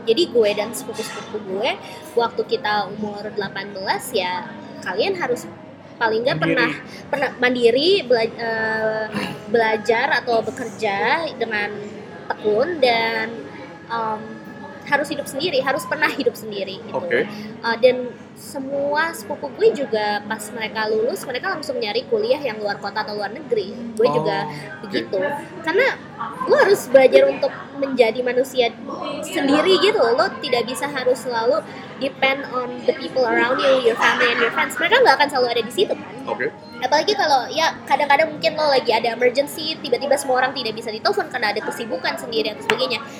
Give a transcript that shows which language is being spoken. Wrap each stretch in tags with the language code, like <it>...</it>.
<id>Jadi gue dan sepupu-sepupu gue, waktu kita umur 18 ya kalian harus paling nggak pernah mandiri, belajar atau bekerja dengan tekun, dan harus hidup sendiri, harus pernah hidup sendiri gitu. Dan semua sepupu gue juga pas mereka lulus, mereka langsung nyari kuliah yang luar kota atau luar negeri. Gue juga begitu. Karena lo harus belajar untuk menjadi manusia sendiri gitu. Lo tidak bisa harus selalu</id> <en>depend on the people around you, your family and your friends.</en> <id>Mereka gak akan selalu ada di situ kan. Apalagi kalau ya kadang-kadang mungkin lo lagi ada emergency, tiba-tiba semua orang tidak bisa ditelepon karena ada kesibukan sendiri dan sebagainya.</id>